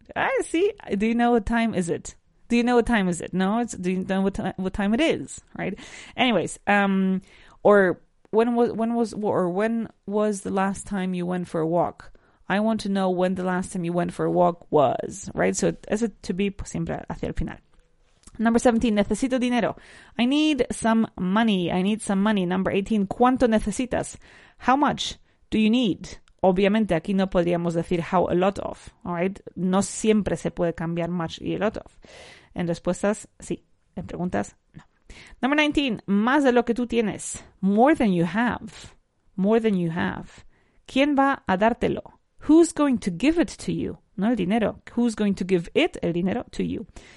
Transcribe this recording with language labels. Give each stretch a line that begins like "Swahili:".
English: I see, do you know what time is it? Do you know what time is it? No, it's, do you know what time it is, right? Anyways, or when was the last time you went for a walk? I want to know when the last time you went for a walk was, right? So as a to be,
Spanish: siempre hacia el final.
English: Number 17,
Spanish: necesito dinero.
English: I need some money. I need some money. Number 18,
Spanish: ¿cuánto necesitas?
English: How much do you need?
Spanish: Obviamente, aquí no podríamos decir
English: how a lot of, all right?
Spanish: No siempre se puede cambiar much y a lot of. En respuestas, sí. En preguntas, no.
English: Number 19,
Spanish: más de lo que tú tienes.
English: More than you have. More than you have.
Spanish: ¿Quién va a dártelo?
English: Who's going to give it to you?
Spanish: No el dinero.
English: Who's going to give it, el dinero, to you?